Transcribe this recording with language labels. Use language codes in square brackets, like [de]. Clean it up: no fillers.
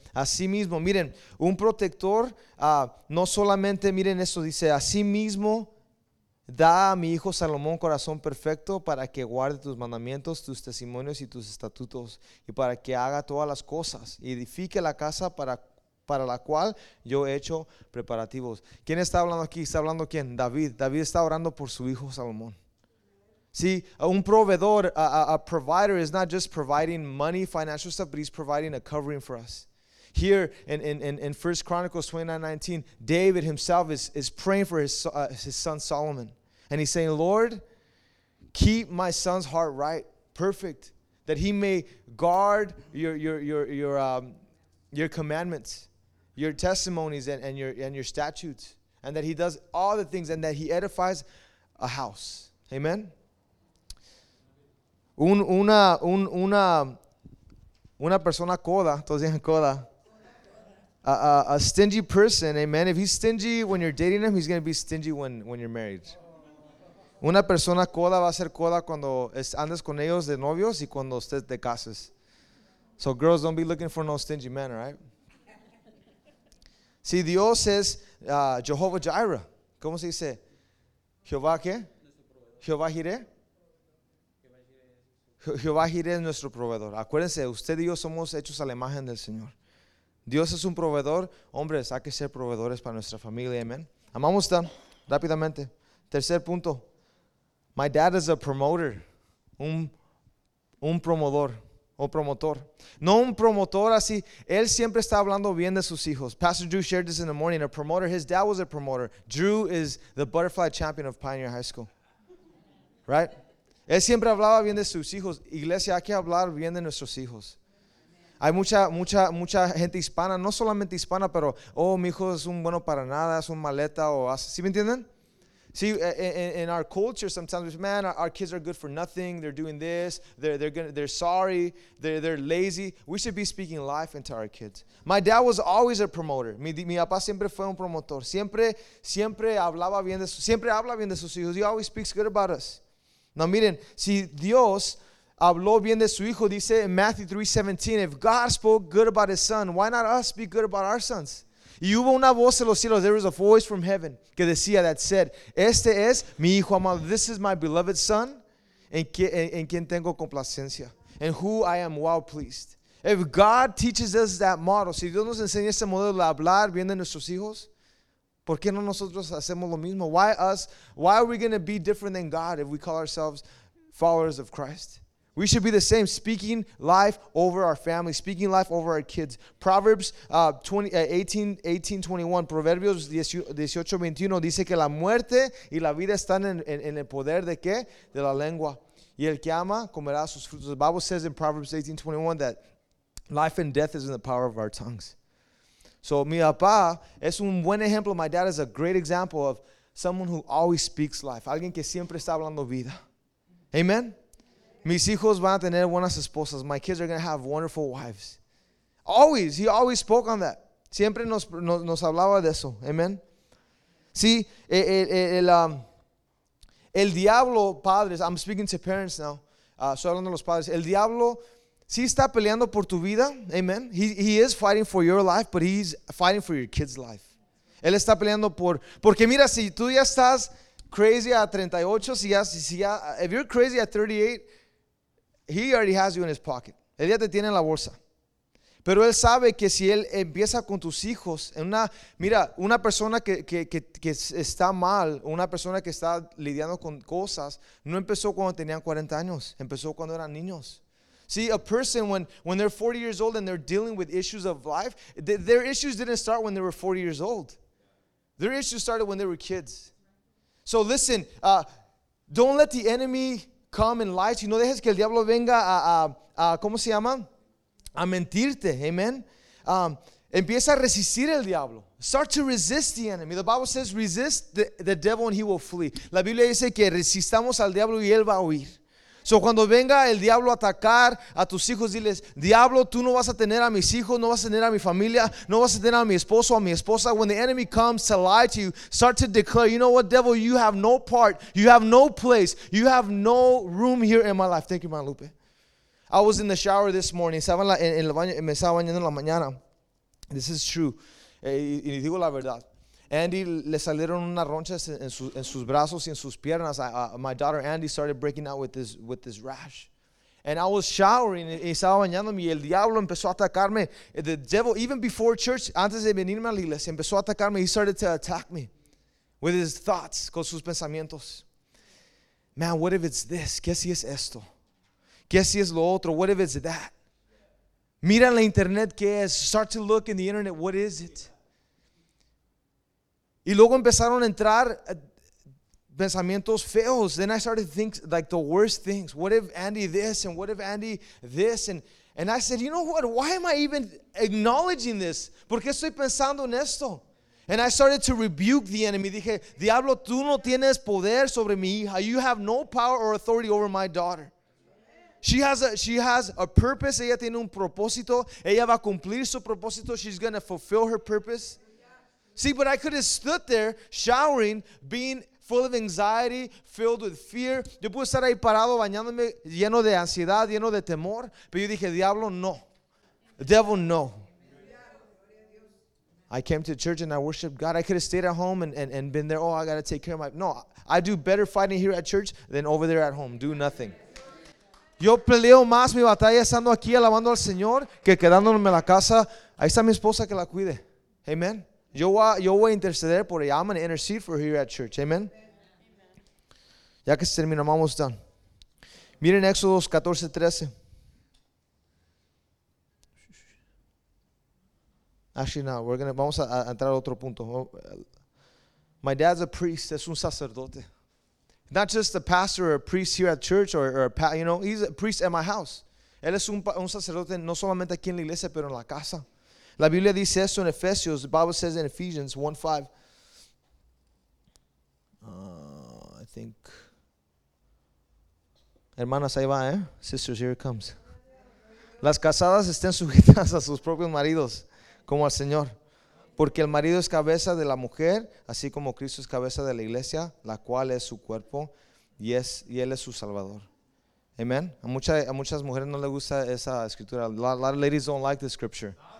[es] Asimismo, miren, un protector, no solamente, miren esto, dice, asimismo, da a mi hijo Salomón corazón perfecto para que guarde tus mandamientos, tus testimonios y tus estatutos, y para que haga todas las cosas, y edifique la casa para la cual yo he hecho preparativos. ¿Quién está hablando aquí? ¿Está hablando quién? David. David está orando por su hijo Salomón. [en] See, [es] un proveedor, [en] a provider is not just providing money, financial stuff, but he's providing a covering for us. Here in 1 Chronicles 29:19, David himself is praying for his son Solomon. And he's saying, Lord, keep my son's heart right, perfect, that he may guard your commandments, your testimonies and your statutes, and that he does all the things and that he edifies a house. Amen. [es] Una persona coda, todos dicen coda. [en] A stingy person, amen. If he's stingy when you're dating him, he's going to be stingy when you're married. [es] Una persona coda va a ser coda cuando andes con ellos de novios y cuando estés de casas. [en] So girls, don't be looking for no stingy men, right? [es] Si Dios es Jehovah Jireh. ¿Cómo se dice? ¿Jehová qué? ¿Jehová Jireh? Jehová Jireh es nuestro proveedor. Acuérdense, usted y yo somos hechos a la imagen del Señor. Dios es un proveedor. Hombres, hay que ser proveedores para nuestra familia. Amen. Amamos tan rápidamente. Tercer punto. [en] My dad is a promoter. [es] Un promotor. No un promotor así. Él siempre está hablando bien de sus hijos. [en] Pastor Drew shared this in the morning. A promoter. His dad was a promoter. Drew is the butterfly champion of Pioneer High School. Right? [es] Él siempre hablaba bien de sus hijos. Iglesia, hay que hablar bien de nuestros hijos. Hay mucha gente hispana, no solamente hispana, pero, oh, mi hijo es un bueno para nada, es un maleta, o así, ¿sí me entienden? [en] See, in our culture, sometimes we say, man, our kids are good for nothing, they're doing this, they're lazy. We should be speaking life into our kids. My dad was always a promoter. [es] Mi papá siempre fue un promotor. Siempre habla bien de sus hijos. [en] He always speaks good about us. [es] Now, miren, si Dios... habló bien de su hijo, dice en [en] Matthew 3:17, if God spoke good about his son, why not us be good about our sons? [es] Y hubo una voz en los cielos, [en] there was a voice from heaven [es] que decía, [en] that said, [es] este es mi hijo amado, [en] this is my beloved son, [es] en quien tengo complacencia, [en] and who I am well pleased. If God teaches us that model, [es] si Dios nos enseña ese modelo de hablar bien de nuestros hijos, ¿por qué no nosotros hacemos lo mismo? [en] Why are we going to be different than God if we call ourselves followers of Christ? We should be the same, speaking life over our family, speaking life over our kids. [es] Proverbs 18:21, Proverbios 18:21 dice que la muerte y la vida están en el poder de qué? De la lengua. Y el que ama comerá sus frutos. [en] The Bible says in Proverbs 18:21 that life and death is in the power of our tongues. So [es] mi papá es un buen ejemplo. [en] My dad is a great example of someone who always speaks life. [es] Alguien que siempre está hablando vida. Amen. Mis hijos van a tener buenas esposas. [en] My kids are going to have wonderful wives. Always. He always spoke on that. [es] Siempre nos hablaba de eso. Amen. Sí, el diablo, padres, [en] I'm speaking to parents now. [es] Estoy hablando de los padres. El diablo sí está peleando por tu vida. Amen. [en] He is fighting for your life, but he's fighting for your kids' life. [es] Él está peleando por... Porque mira, si tú ya estás crazy a 38, si ya... [en] If you're crazy at 38... He already has you in his pocket. [es] Él ya te tiene en la bolsa. Pero él sabe que si él empieza con tus hijos, una persona que está mal, una persona que está lidiando con cosas, no empezó cuando tenían 40 años, empezó cuando eran niños. [en] See, a person when they're 40 years old and they're dealing with issues of life, their issues didn't start when they were 40 years old. Their issues started when they were kids. So listen, don't let the enemy come and lie to you. [es] No dejes que el diablo venga a ¿cómo se llama? A mentirte. [en] Amen. [es] Empieza a resistir el diablo. [en] Start to resist the enemy. The Bible says resist the devil and he will flee. [es] La Biblia dice que resistamos al diablo y él va a huir. So cuando venga el diablo a atacar a tus hijos, diles, diablo, tú no vas a tener a mis hijos, no vas a tener a mi familia, no vas a tener a mi esposo, a mi esposa. [en] When the enemy comes to lie to you, start to declare, you know what, devil, you have no part, you have no place, you have no room here in my life. Thank you, man, Lupe. I was in the shower this morning. [es] Estaba en el baño, me estaba bañando en la mañana. [en] This is true. [es] Y digo la verdad. Andy, le salieron unas ronchas en sus brazos y en sus piernas. [en] My daughter Andy started breaking out with this rash. And I was showering, [es] y estaba bañándome, [en] y el diablo empezó a atacarme. The devil, even before church, [es] antes de venirme a la iglesia, [en] empezó a atacarme. He started to attack me with his thoughts, [es] con sus pensamientos. [en] Man, what if it's this? [es] ¿Qué si es esto? ¿Qué si es lo otro? [en] What if it's that? [es] Mira en la internet, ¿qué es? [en] Start to look in the internet, what is it? [es] Y luego empezaron a entrar pensamientos feos. [en] Then I started to think like the worst things. What if Andy this and what if Andy this? And I said, you know what? Why am I even acknowledging this? [es] ¿Por qué estoy pensando en esto? [en] And I started to rebuke the enemy. [es] Dije, diablo, tú no tienes poder sobre mi hija. [en] You have no power or authority over my daughter. She has a purpose. [es] Ella tiene un propósito. Ella va a cumplir su propósito. [en] She's going to fulfill her purpose. See, but I could have stood there showering, being full of anxiety, filled with fear. [es] Yo pude estar ahí parado bañándome, lleno de ansiedad, lleno de temor. Pero yo dije, diablo, no. [en] Devil, no. I came to church and I worshiped God. I could have stayed at home and been there. Oh, I got to take care of my... No, I do better fighting here at church than over there at home. Do nothing. [es] Yo peleo más mi batalla estando aquí alabando al Señor que quedándome en la casa. Ahí está mi esposa que la cuide. Amen. Yo voy a interceder por ella. [en] I'm going to intercede for her at church. [es] Amen. Amen. Ya que se terminó, vamos done. Miren Éxodo 14:13. [en] Actually, no. [es] Vamos a entrar a otro punto. [en] My dad's a priest. [es] Es un sacerdote. [en] Not just a pastor or a priest here at church or a, you know, he's a priest at my house. [es] Él es un sacerdote no solamente aquí en la iglesia, pero en la casa. La Biblia dice esto en Efesios. [en] The Bible says in Ephesians 1:5. I think. [es] Hermanas, ahí va, eh? [en] Sisters, here it comes. [es] Las casadas estén sujetas a sus propios maridos, como al Señor. Porque el marido es cabeza de la mujer, así como Cristo es cabeza de la iglesia, la cual es su cuerpo, y él es su salvador. Amen. A muchas mujeres no le gusta esa escritura. [en] A lot of ladies don't like the scripture.